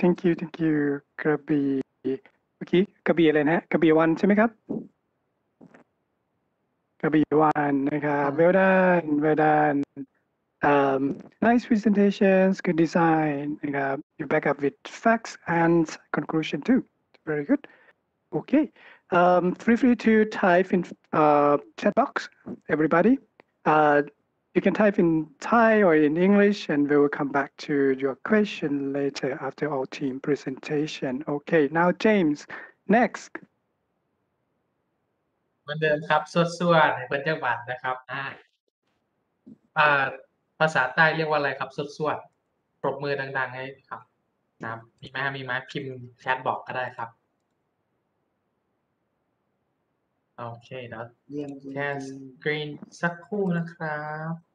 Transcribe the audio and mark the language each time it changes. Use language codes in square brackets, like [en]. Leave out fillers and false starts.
[th] กระบี่เมื่อกี้กระบี่อะไรนะกระบี่วันใช่ไหมครับกระบี่วันนะครับ [en] well done nice presentations, good design, นะครับ you back up with facts and conclusion too, very good. Okay, Feel free to type in chat box, everybody. You can type in Thai or in English, and we will come back to your question later after our team presentation. Okay, now James, next. [th] เหมือนเดิมครับสวดสวดในบรรยากาศนะครับภาษาใต้เรียกว่าอะไรครับสวดสวดปรบมือดังๆให้ครับนะมีไหมมีไหมพิมพ์แชทบอกก็ได้ครับโอเคเดี๋ยวแค่สกรีนสักครู่นะครับ